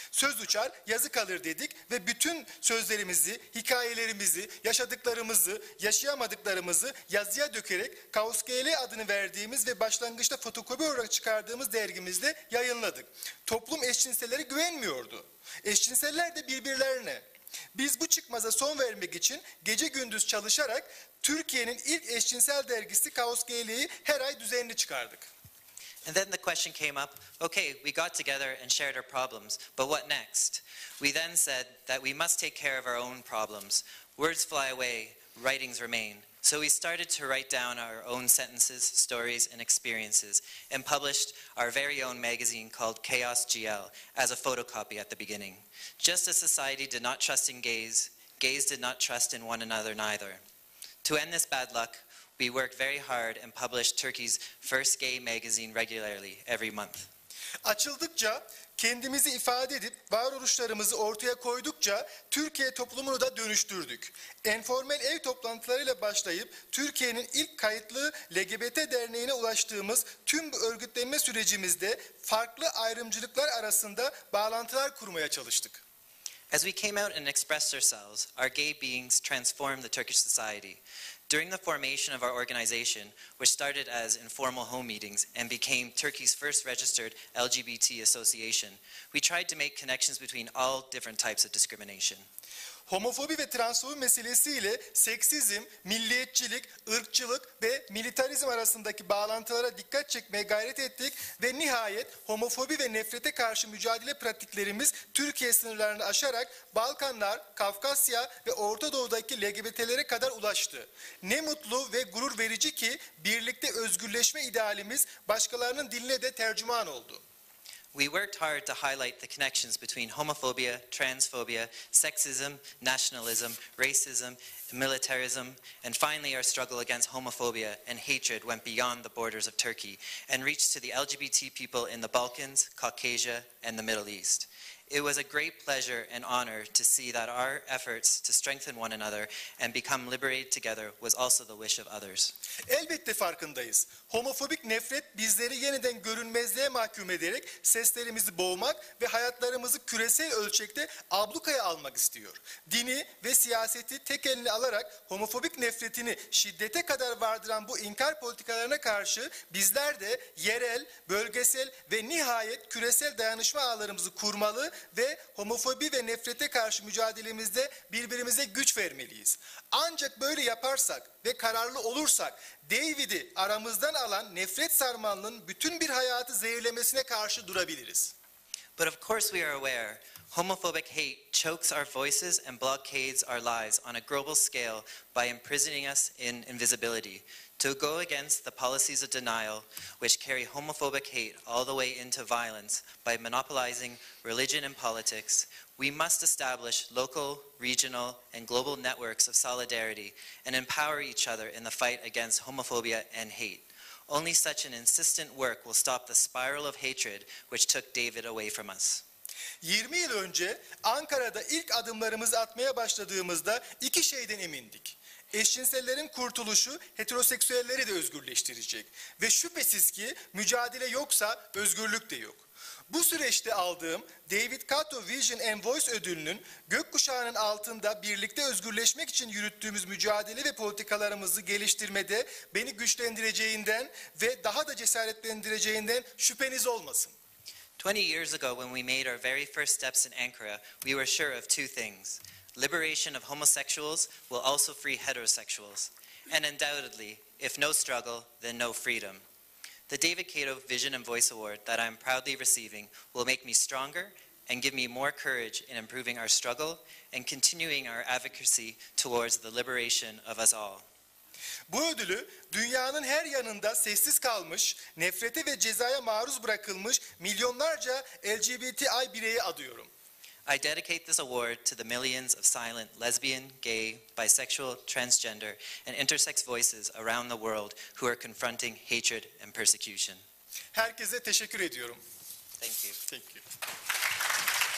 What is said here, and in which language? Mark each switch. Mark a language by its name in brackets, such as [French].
[Turkish] Söz uçar, yazı kalır dedik ve bütün sözlerimizi, hikayelerimizi, yaşadıklarımızı, yaşayamadıklarımızı yazıya dökerek Kaos GL adını verdiğimiz ve başlangıçta fotokopi olarak çıkardığımız dergimizde yayınladık. Toplum eşcinselleri güvenmiyordu. Eşcinseller de birbirlerine. Biz bu çıkmaza son vermek için gece gündüz çalışarak Türkiye'nin ilk eşcinsel dergisi Kaos GL'yi her ay düzenli çıkardık. [English] And then the question came up, okay, we got together and shared our problems, but what next? We then said that we must take care of our own problems. Words fly away, writings remain. So we started to write down our own sentences, stories, and experiences, and published our very own magazine called Kaos GL as a photocopy at the beginning. Just as society did not trust in gays, gays did not trust in one another neither. To end this bad luck, we worked very hard and published Turkey's first gay magazine regularly every month. [Turkish] Açıldıkça, kendimizi ifade edip varoluşlarımızı ortaya koydukça Türkiye toplumunu da dönüştürdük. Enformel ev toplantılarıyla başlayıp Türkiye'nin ilk kayıtlı LGBT derneğine ulaştığımız tüm bu örgütlenme sürecimizde farklı ayrımcılıklar arasında bağlantılar kurmaya çalıştık. [English] As we came out and expressed ourselves, our gay beings transformed the Turkish society. During the formation of our organization, which started as informal home meetings and became Turkey's first registered LGBT association, we tried to make connections between all different types of discrimination. [Turkish] Homofobi ve transfobi meselesiyle seksizm, milliyetçilik, ırkçılık ve militarizm arasındaki bağlantılara dikkat çekmeye gayret ettik ve nihayet homofobi ve nefrete karşı mücadele pratiklerimiz Türkiye sınırlarını aşarak Balkanlar, Kafkasya ve Orta Doğu'daki LGBT'lere kadar ulaştı. Ne mutlu ve gurur verici ki birlikte özgürleşme idealimiz başkalarının diline de tercüman oldu. [English] We worked hard to highlight the connections between homophobia, transphobia, sexism, nationalism, racism, militarism, and finally our struggle against homophobia and hatred went beyond the borders of Turkey and reached to the LGBT people in the Balkans, Caucasia, and the Middle East. It was a great pleasure and honor to see that our efforts to strengthen one another and become liberated together was also the wish of others. [Turkish] Elbette farkındayız. Homofobik nefret bizleri yeniden görünmezliğe mahkum ederek seslerimizi boğmak ve hayatlarımızı küresel ölçekte ablukaya almak istiyor. Dini ve siyaseti tek eline alarak homofobik nefretini şiddete kadar vardıran bu inkar politikalarına karşı bizler de yerel, bölgesel ve nihayet küresel dayanışma ağlarımızı kurmalı ve homofobi ve nefrete karşı mücadelemizde birbirimize güç vermeliyiz. Ancak böyle yaparsak ve kararlı olursak David'i aramızdan alan nefret sarmalının bütün bir hayatı zehirlemesine karşı durabiliriz. [English] But of course we are aware homophobic hate chokes our voices and blockades our lives on a global scale by imprisoning us in invisibility. To go against the policies of denial, which carry homophobic hate all the way into violence by monopolizing religion and politics, we must establish local, regional, and global networks of solidarity and empower each other in the fight against homophobia and hate. Only such an insistent work will stop the spiral of hatred which took David away from us. [Turkish] 20 yıl önce Ankara'da ilk adımlarımızı atmaya başladığımızda iki şeyden emindik. Eşcinsellerin kurtuluşu heteroseksüelleri de özgürleştirecek. Ve şüphesiz ki mücadele yoksa özgürlük de yok. Bu süreçte aldığım David Kato Vision and Voice ödülünün gökkuşağının altında birlikte özgürleşmek için yürüttüğümüz mücadele ve politikalarımızı geliştirmede beni güçlendireceğinden ve daha da cesaretlendireceğinden şüpheniz olmasın. [English] 20 years ago when we made our very first steps in Ankara, we were sure of two things. Liberation of homosexuals will also free heterosexuals. And undoubtedly, if no struggle, then no freedom. The David Kato Vision and Voice Award that I'm proudly receiving will make me stronger and give me more courage in improving our struggle and continuing our advocacy towards the liberation of us all. [Turkish] Bu ödülü dünyanın her yanında sessiz kalmış, nefrete ve cezaya maruz bırakılmış milyonlarca LGBTI bireye adıyorum. [English] I dedicate this award to the millions of silent lesbian, gay, bisexual, transgender, and intersex voices around the world who are confronting hatred and persecution. [Turkish] Herkese teşekkür ediyorum. [English] Thank you. Thank you.